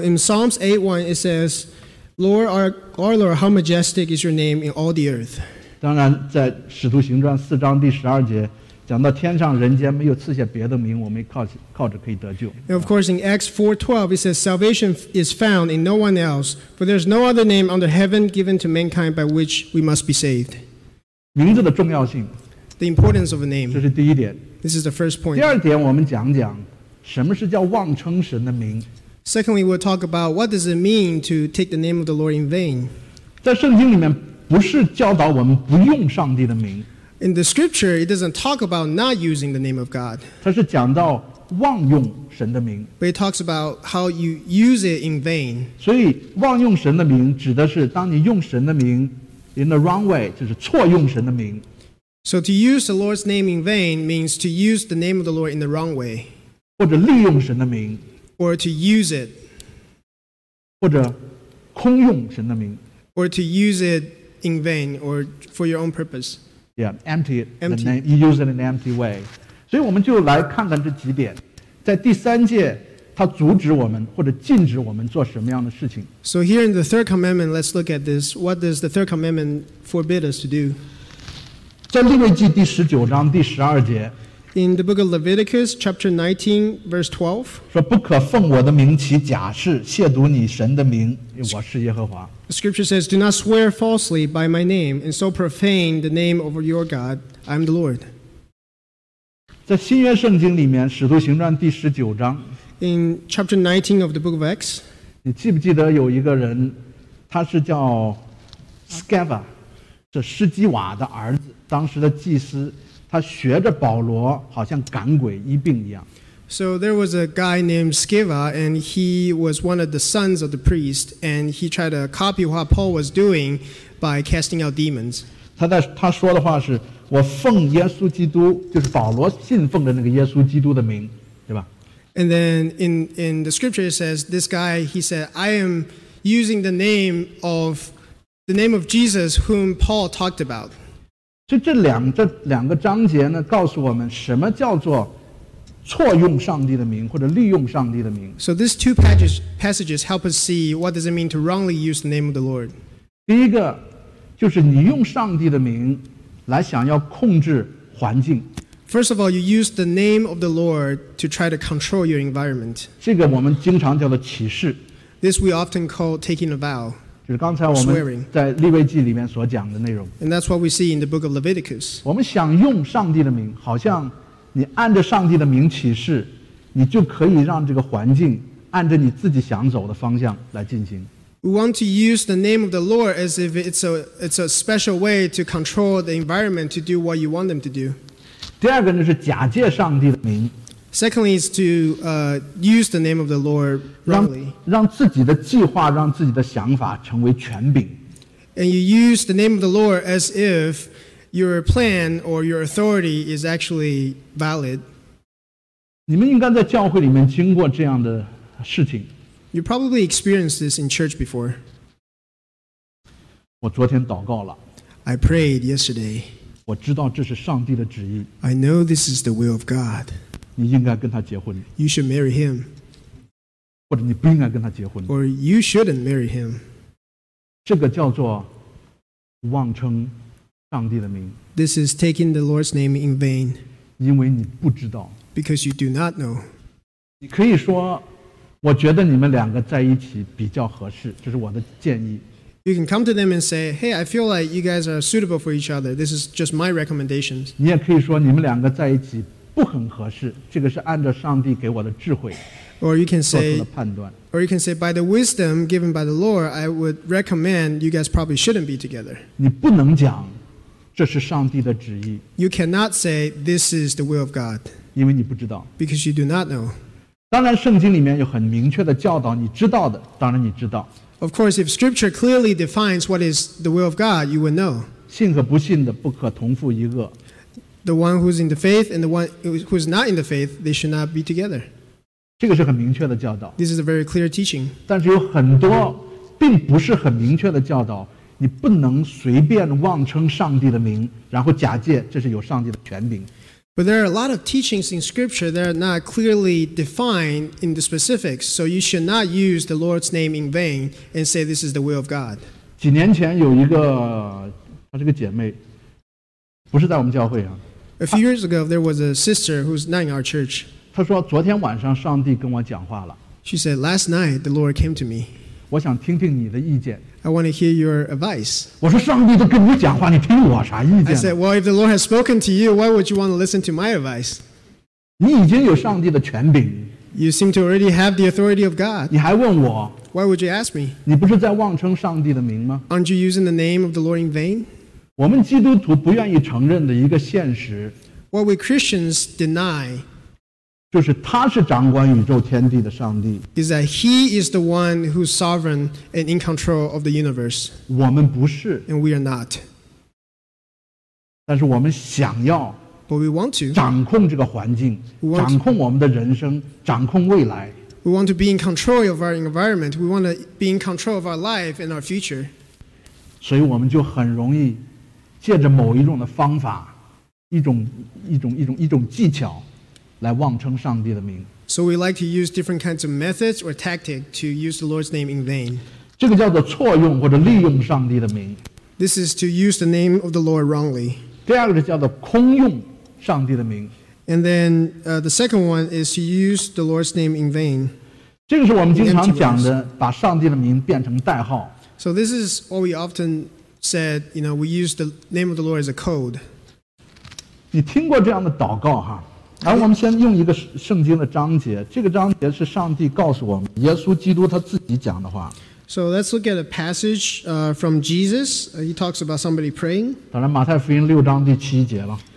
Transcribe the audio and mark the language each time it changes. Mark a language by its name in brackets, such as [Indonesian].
[English] in Psalms 8:1 it says, "Lord, our Lord, how majestic is your name in all the earth." [Chinese] 当然，在使徒行传4:12节讲到天上人间没有赐下别的名，我们靠着可以得救。 [English] And of course, in Acts 4:12 it says, "Salvation is found in no one else, for there is no other name under heaven given to mankind by which we must be saved." [Chinese] 名字的重要性, [English] the importance of a name. [Chinese] 这是第一点, [English] this is the first point. [Chinese] 第二点我们讲讲什么是叫妄称神的名。 [English] Secondly, we'll talk about what does it mean to take the name of the Lord in vain. [Chinese] 在圣经里面不是教导我们不用上帝的名。 [English] In the scripture, it doesn't talk about not using the name of God. [Chinese] 它是讲到妄用神的名。 [English] But it talks about how you use it in vain. [Chinese] 所以妄用神的名指的是当你用神的名 [English] In the wrong way, [Chinese] 就是错用神的名。 [English] So to use the Lord's name in vain means to use the name of the Lord in the wrong way. [Chinese] 或者利用神的名。 [English] Or to use it. [Chinese] 或者空用神的名。 [English] Or to use it in vain or for your own purpose. Yeah, empty it. You use it in an empty way. [Chinese] 所以我们就来看看这几点。在第三界, 他阻止我们或者禁止我们做什么样的事情。 [English] So here in the third commandment, let's look at this. What does the third commandment forbid us to do? [Chinese] 在利未记第十九章第十二节 [English] In the book of Leviticus, chapter 19, verse 12, [Chinese] 说不可奉我的名起假誓，亵渎你神的名，因为我是耶和华。 [English] The scripture says, do not swear falsely by my name, and so profane the name of your God, I am the Lord. [Chinese] 在新约圣经里面，使徒行传第十九章 [English] In chapter 19 of the book of Acts, [Chinese] 你记不记得有一个人，他是叫 Sceva, 是施基瓦的儿子。当时的祭司他学着保罗好像赶鬼医病一样 [English] So there was a guy named Sceva and he was one of the sons of the priest and he tried to copy what Paul was doing by casting out demons [Chinese] 他说的话是我奉耶稣基督就是保罗信奉的那个耶稣基督的名对吧 [English] And then in the scripture it says this guy he said I am using the name of Jesus whom Paul talked about [Chinese] 所以这两个章节呢，告诉我们什么叫做错用上帝的名或者利用上帝的名。 [English] So these two passages help us see what does it mean to wrongly use the name of the Lord. [Chinese] 第一个就是你用上帝的名来想要控制环境。 [English] First of all, you use the name of the Lord to try to control your environment. [Chinese] 这个我们经常叫做起誓。 [English] This we often call taking a vow. [Chinese] 就是刚才我们在利未记里面所讲的内容。 [English] And that's what we see in the book of Leviticus. [Chinese] 我们想用上帝的名，好像你按着上帝的名起誓，你就可以让这个环境按着你自己想走的方向来进行。 [English] We want to use the name of the Lord as if it's a special way to control the environment to do what you want them to do. [Chinese] 第二个呢是假借上帝的名。 [English] Secondly, is to use the name of the Lord wrongly. [Chinese] 让自己的计划，让自己的想法成为权柄。 [English] And you use the name of the Lord as if your plan or your authority is actually valid. [Chinese] 你们应该在教会里面经过这样的事情。 [English] You probably experienced this in church before. [Chinese] 我昨天祷告了。 [English] I prayed yesterday. [Chinese] 我知道这是上帝的旨意。 [English] I know this is the will of God. [Chinese] 你应该跟他结婚。 [English] You should marry him. [Chinese] 或者你不应该跟他结婚。 [English] Or you shouldn't marry him. [Chinese] 这个叫做妄称上帝的名。 [English] This is taking the Lord's name in vain. [Chinese] 因为你不知道。 [English] Because you do not know. [Chinese] 你可以说，我觉得你们两个在一起比较合适，这是我的建议。 [English] You can come to them and say, hey, I feel like you guys are suitable for each other. This is just my recommendations. [Chinese] 你也可以说你们两个在一起不很合适，这个是按照上帝给我的智慧做出的判断。 [English] Or you can say, by the wisdom given by the Lord, I would recommend you guys probably shouldn't be together. [Chinese] 你不能讲这是上帝的旨意。 [English] You cannot say this is the will of God. [Chinese] 因为你不知道。 [English] Because you do not know. [Chinese] 当然，圣经里面有很明确的教导，你知道的，当然你知道。 [English] Of course, if Scripture clearly defines what is the will of God, you would know. [Chinese] 信和不信的不可同负一轭。 [English] The one who's in the faith and the one who's not in the faith, they should not be together. [Chinese] 这个是很明确的教导。 [English] This is a very clear teaching. [Chinese] 但是有很多并不是很明确的教导，你不能随便妄称上帝的名，然后假借这是有上帝的权柄。 [English] But there are a lot of teachings in Scripture that are not clearly defined in the specifics, so you should not use the Lord's name in vain and say this is the will of God. [Chinese] 几年前有一个，她是个姐妹。不是在我们教会啊。 [English] A few years ago, there was a sister who's not in our church. [Chinese] 她说昨天晚上上帝跟我讲话了。 [English] She said, last night, the Lord came to me. [Chinese] 我想听听你的意见。 [English] I want to hear your advice. [Chinese] 我说上帝都跟你讲话，你听我啥意见？ [English] I said, well, if the Lord has spoken to you, why would you want to listen to my advice? [Chinese] 你已经有上帝的权柄。 [English] You seem to already have the authority of God. [Chinese] 你还问我。 [English] Why would you ask me? [Chinese] 你不是在妄称上帝的名吗？ [English] Aren't you using the name of the Lord in vain? [Chinese] 我们基督徒不愿意承认的一个现实 [English] What we Christians deny [Chinese] 就是他是掌管宇宙天地的上帝 [English] is that he is the one who's sovereign and in control of the universe [Chinese] 我们不是 [English] and we are not [Chinese] 但是我们想要 [English] but we want to [Chinese] 掌控这个环境 掌控我们的人生掌控未来 [English] we want to be in control of our environment we want to be in control of our life and our future [Chinese] 所以我们就很容易借着某一种的方法，一种技巧，来妄称上帝的名。 [English] So we like to use different kinds of methods or tactics to use the Lord's name in vain. [Chinese] 这个叫做错用或者利用上帝的名。 [English] This is to use the name of the Lord wrongly. [Chinese] 第二个叫做空用上帝的名。 [English] And then the second one is to use the Lord's name in vain. [Chinese] 这个是我们经常讲的，把上帝的名变成代号。 [English] So this is what we often said, you know, we use the name of the Lord as a code. [Chinese] 你听过这样的祷告哈？来，我们先用一个圣经的章节，这个章节是上帝告诉我们，耶稣基督他自己讲的话。 [English] So let's look at a passage from Jesus. He talks about somebody praying. [Chinese] 当然，马太福音六章第七节了。